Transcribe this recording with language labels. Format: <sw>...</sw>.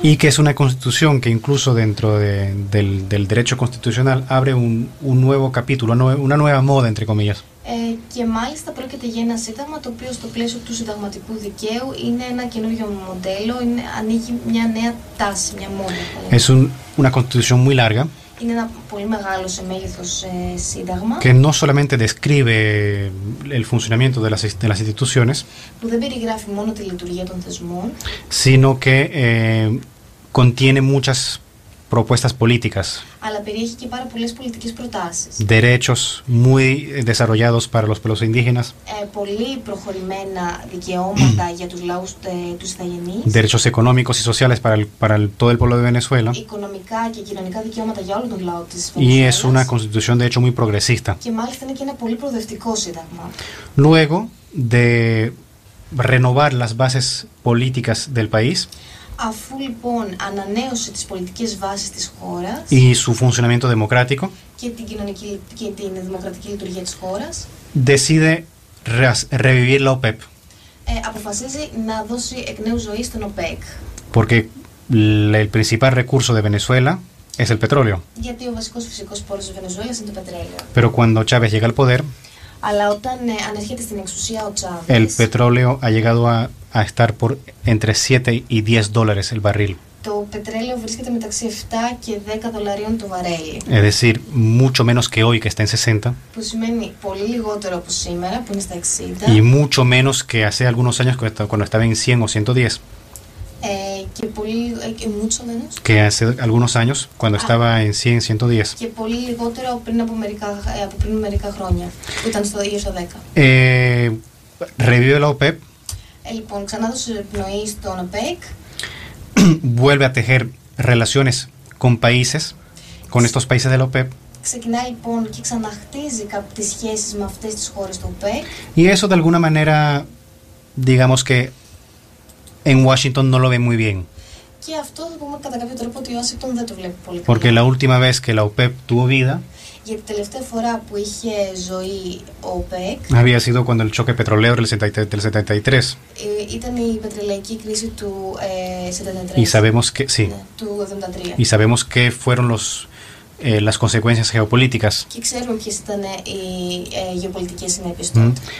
<es>Y que es una constitución que incluso dentro del derecho constitucional abre un nuevo capítulo, una nueva moda, entre comillas.</es> <el>Και Και μάλιστα πρόκειται για ένα σύνταγμα το οποίο στο πλαίσιο του συνταγματικού δικαίου είναι ένα καινούριο μοντέλο, είναι, ανοίγει μια νέα τάση, μια μόνη.</el> <es>Es una constitución muy larga.</es> <el>Είναι ένα πολύ μεγάλο σε μέγεθος σύνταγμα.</el> <es>Que no solamente describe el funcionamiento de las instituciones.</es> <el>Που δεν περιγράφει μόνο τη λειτουργία των θεσμών.</el> <es>Sino que contiene muchas propuestas políticas.</es> <el>Αλλά περιέχει και πάρα πολλές πολιτικές προτάσεις.</el> <es>Derechos muy desarrollados para los pueblos indígenas.</es> <el>Πολύ προχωρημένα δικαιώματα για τους λαούς τους ιθαγενείς.</el> <es>Derechos económicos y sociales para todo el pueblo de Venezuela.</es> <el>Οικονομικά και κοινωνικά δικαιώματα για όλο τον λαό της Βενεζουέλας.</el> <es>Y es una constitución de hecho muy progresista.</es> <el>Και μάλιστα είναι και ένα πολύ προοδευτικό σύνταγμα.</el> <es>Luego de renovar las bases políticas del país.</es> <el>Αφού λοιπόν ανανέωσε τις πολιτικές βάσεις της χώρας</el> <es>y su funcionamiento democrático,</es> <el>και την κοινωνική και την δημοκρατική λειτουργία της χώρας,</el> <es>decide revivir la OPEP.</es> <el>Αποφασίζει να δώσει εκ νέου ζωή στον OPEC.</el> <es>Porque el principal recurso de Venezuela es el petróleo.</es> <el>Γιατί ο βασικός φυσικός πόρος της Βενεζουέλας είναι το πετρέλαιο.</el> <es>Pero cuando Chávez llega al poder,</es> <el>αλλά όταν ανέρχεται στην εξουσία ο Chávez,</el> <es>el petróleo ha llegado a estar por entre 7 y 10 dólares el barril.</es> <el>Το πετρέλαιο βρίσκεται μεταξύ 7 και 10 δολαρίων το βαρέλι.</el> <es>Es decir, mucho menos que hoy que está en 60.</es> <el>Που σημαίνει πολύ λιγότερο από σήμερα που είναι στα 60.</el> <es>Y mucho menos que hace algunos años cuando estaba en 100 o 110.</es> <el>Και πολύ</el> <es>mucho menos. Que hace algunos años cuando estaba en 100 110.</es> <el>Και πολύ λιγότερο πριν από μερικά χρόνια, που ήταν στο 10.</el> <es>Revive la OPEP.</es> <el>Λοιπόν, ξανά δώσε πνοή στον OPEC.</el> <es>Vuelve a tejer relaciones con países, con estos países del OPEP.</es> <el>Ξεκινά λοιπόν και ξαναχτίζει κάποιες σχέσεις με αυτές τις χώρες του OPEC.</el> <es>Y eso de alguna manera, digamos que en Washington no lo ve muy bien.</es> <el>Και αυτό θα πούμε κατά κάποιο τρόπο ότι ο Washington δεν το βλέπει πολύ καλά.</el> <es>Porque la última vez que la OPEP tuvo vida.</es> <el>Γιατί τελευταία φορά που είχε ζωή ο OPEC.</el> <es>Había sido cuando el choque petrolero del 73.</es> <el>Ήταν η πετρελαϊκή κρίση του 73.</el> <es>Y sabemos que, sí.</es> <el>Του 73.</el> <es>Y sabemos que fueron las consecuencias geopolíticas.</es> <el>Και ξέρουμε ποιες ήταν οι γεωπολιτικές συνέπειες τότε.</el>